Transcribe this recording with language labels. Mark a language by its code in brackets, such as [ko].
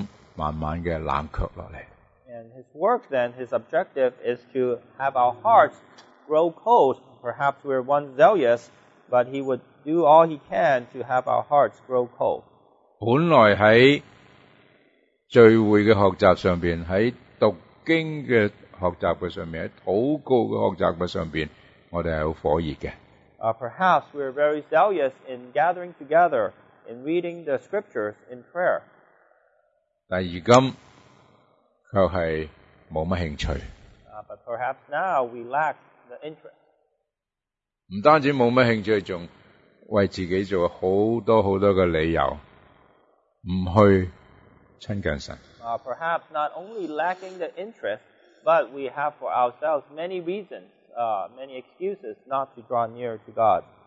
[zh] 這個變化就是叫我們本來是火熱的心慢慢的冷卻下來。 [en] And His work then, His objective is to have our hearts grow cold. Perhaps we're once zealous, but He would do all He can to have our hearts grow cold. [zh] 本來在聚會的學習上面, 在讀經的學習上面, 在禱告的學習上面, 我們是很火熱的。 [en] Perhaps we are very zealous in gathering together, in reading the scriptures in prayer. [zh] 但如今,卻是沒什麼興趣。 [en] But perhaps now we lack the interest. [zh] 不單止沒什麼興趣, 還為自己做了很多很多的理由, 不去親近神。 [en] Perhaps not only lacking the interest, but we have for ourselves many reasons. Many excuses not to draw near to God.